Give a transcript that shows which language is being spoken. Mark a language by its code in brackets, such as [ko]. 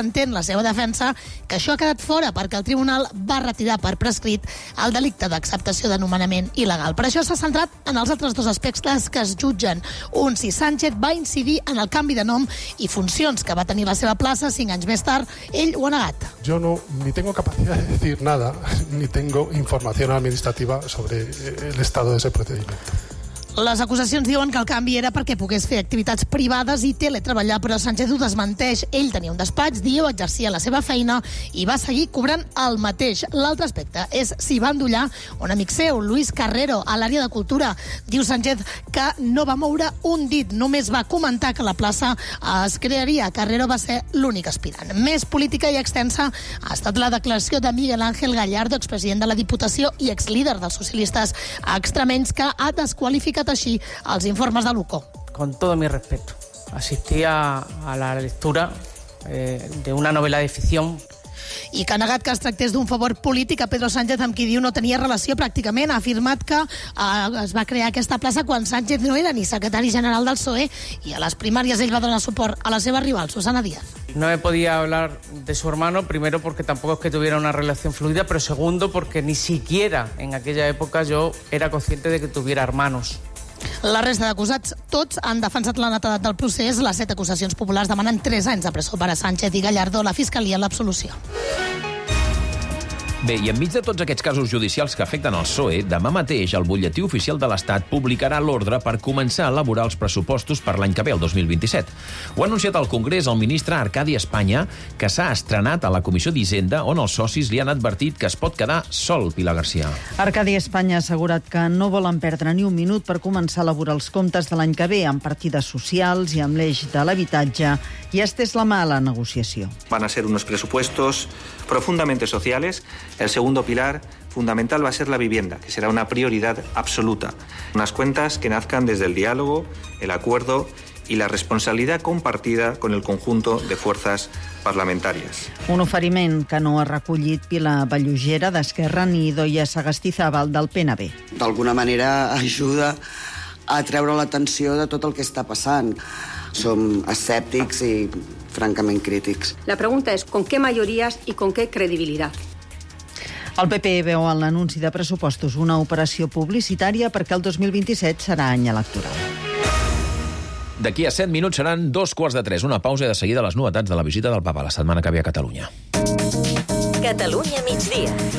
[ca] Entén la seva defensa que això ha quedat fora perquè el tribunal va retirar per prescrit el delicte d'acceptació de nomenament il·legal. Per això s'ha centrat en els altres dos aspectes que es jutgen. Un, si Sánchez va incidir en el canvi de nom i funcions que va tenir la seva plaça 5 anys més tard. Ell ho ha negat. [es] Jo no, ni tengo capacidad de decir nada, ni tengo información administrativa sobre el estado de ese procedimiento. [ca] Les acusacions diuen que el canvi era perquè pogués fer activitats privades i teletreballar, però Sánchez ho desmenteix. Ell tenia un despatx, diu, exercia la seva feina i va seguir cobrant el mateix. L'altre aspecte és si va endollar un amic seu, Luis Carrero, a l'àrea de cultura. Diu Sánchez que no va moure un dit, només va comentar que la plaça es crearia. Carrero va ser l'únic aspirant. Més política i extensa ha estat la declaració de Miguel Ángel Gallardo, expresident de la Diputació i exlíder dels socialistes extremenys, que ha desqualificat així els informes de l'UCO. [es] Con todo mi respeto, asistí a la lectura de una novela de ficción. [ca] I que ha negat que es tractés d'un favor polític a Pedro Sánchez, amb qui diu no tenia relació pràcticament. Ha afirmat que es va crear aquesta plaça quan Sánchez no era ni secretari general del PSOE i a les primàries ell va donar suport a la seva rival, Susana Díaz. [es] No me podía hablar de su hermano, primero porque tampoco es que tuviera una relación fluida, pero segundo porque ni siquiera en aquella época yo era consciente de que tuviera hermanos. [ca] La resta d'acusats, tots han defensat la netedat del procés. Les 7 acusacions populars demanen 3 anys de presó per a Sánchez i Gallardo, la fiscalia, l'absolució. Bé, i enmig de tots aquests casos judicials que afecten el PSOE, demà mateix el Butlletí Oficial de l'Estat publicarà l'ordre per començar a elaborar els pressupostos per l'any que ve, el 2027. Ho ha anunciat al Congrés el ministre Arcadi Espanya, que s'ha estrenat a la Comissió d'Hisenda, on els socis li han advertit que es pot quedar sol, Pilar García. Arcadi Espanya ha assegurat que no volen perdre ni un minut per començar a elaborar els comptes de l'any que ve amb partides socials i amb l'eix de l'habitatge, i estès la mà a la negociació. [es] Van a ser unos presupuestos profundamente sociales. El segundo pilar fundamental va a ser la vivienda, que será una prioridad absoluta. Unas cuentas que nazcan desde el diálogo, el acuerdo y la responsabilidad compartida con el conjunto de fuerzas parlamentàries. [ca] Un oferiment que no ha recollit Pilar Ballugera d'Esquerra ni Idoia Sagastizábal del PNB. D'alguna manera ajuda a treure l'atenció de tot el que està passant. Som escèptics i francament crítics. [es] La pregunta és con qué mayorías y con qué credibilidad. [ca] El PP veu en l'anunci de pressupostos una operació publicitària perquè el 2027 serà any electoral. D'aquí a 7 minuts seran 2:45. Una pausa i de seguida les novetats de la visita del Papa la setmana que ve a Catalunya. Catalunya migdia.